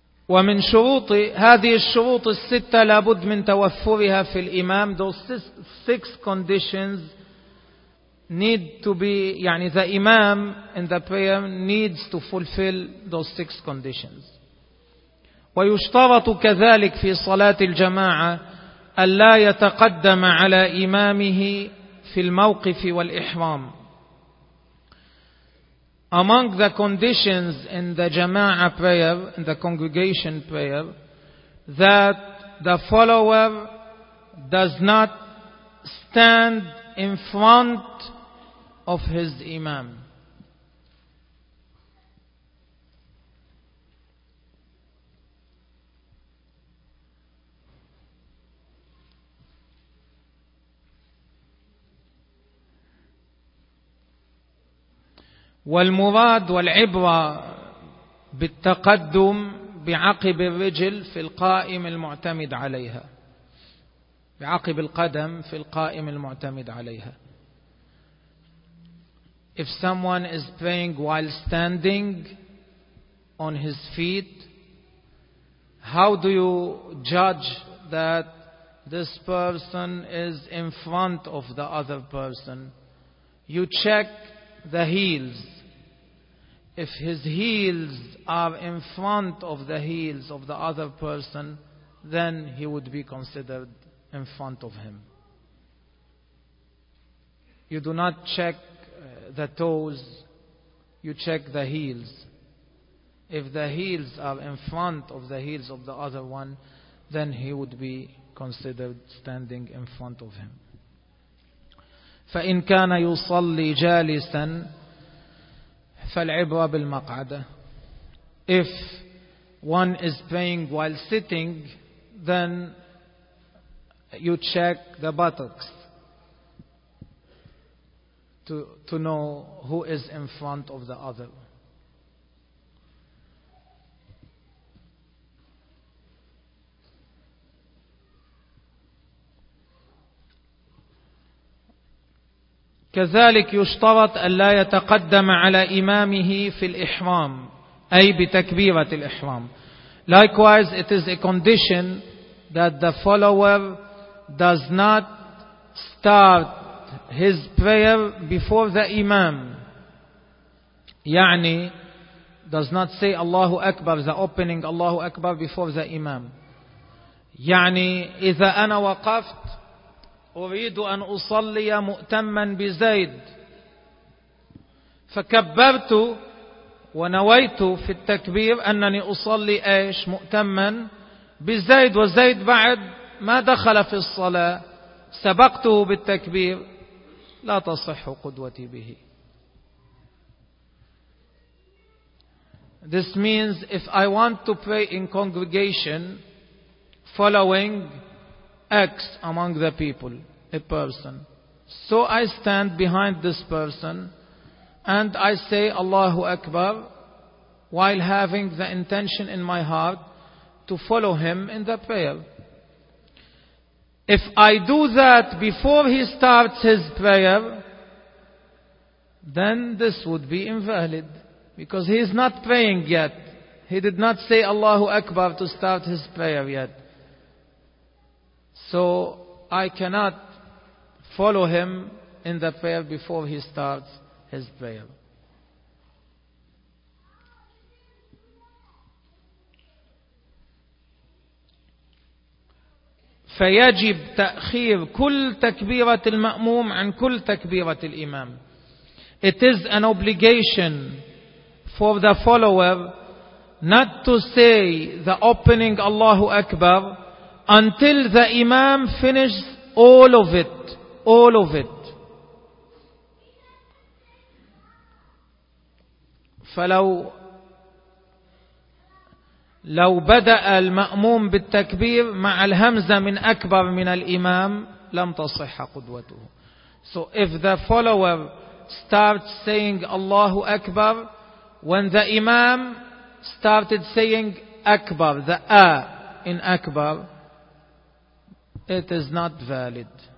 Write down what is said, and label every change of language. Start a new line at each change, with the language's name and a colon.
Arabic: ومن شروط هذه الشروط الستة لابد من توفرها في الإمام.
English: Those six conditions need to be, يعني the imam in the prayer needs to fulfill those six conditions.
Arabic: ويشترط كذلك في صلاة الجماعة ألا يتقدم على إمامه في الموقف والإحرام.
English: Among the conditions in the jama'ah prayer, in the congregation prayer, that the follower does not stand in front of his imam.
Arabic: والمراد والعبرة بالتقدم بعقب الرجل في القائم المعتمد عليها, بعقب القدم في القائم المعتمد عليها.
English: If someone is praying while standing on his feet, how do you judge that this person is in front of the other person? You check the heels. If his heels are in front of the heels of the other person, then he would be considered in front of him. You do not check the toes, you check the heels. If the heels are in front of the heels of the other one, then he would be considered standing in front of him.
Arabic: فإن كان يصلي جالسا فالعبرة بالمقعدة.
English: If one is praying while sitting, then you check the buttocks to know who is in front of the other.
Arabic: كذلك يشترط ألا يتقدم على إمامه في الإحرام أي بتكبيرة الإحرام.
English: Likewise, it is a condition that the follower does not start his prayer before the Imam. يعني does not say Allahu Akbar, the opening Allahu Akbar before the Imam.
Arabic: يعني إذا أنا وقفت أريد أن أصلي مؤتما بزيد فكبرت ونويت في التكبير أنني أصلي إيش مؤتما بزيد وزيد بعد ما دخل في الصلاة سبقته بالتكبير لا تصح قدوتي به.
English: This means if I want to pray in congregation following X among the people, a person, so I stand behind this person and I say Allahu Akbar while having the intention in my heart to follow him in the prayer. If I do that before he starts his prayer, then this would be invalid because he is not praying yet. He did not say Allahu Akbar to start his prayer yet. So I cannot follow him in the prayer before he starts his prayer.
Arabic: فيجب تأخير كل تكبيرة المأموم عن كل تكبيرة الإمام.
English: It is an obligation for the follower not to say the opening Allahu Akbar until the Imam finishes all of it. All of it.
Arabic: فلو بدأ المأموم بالتكبير مع الهمزة من أكبر من الإمام لم تصح قدوته.
English: So if the follower starts saying Allahu Akbar when the Imam started saying Akbar, the A in Akbar, it is not valid.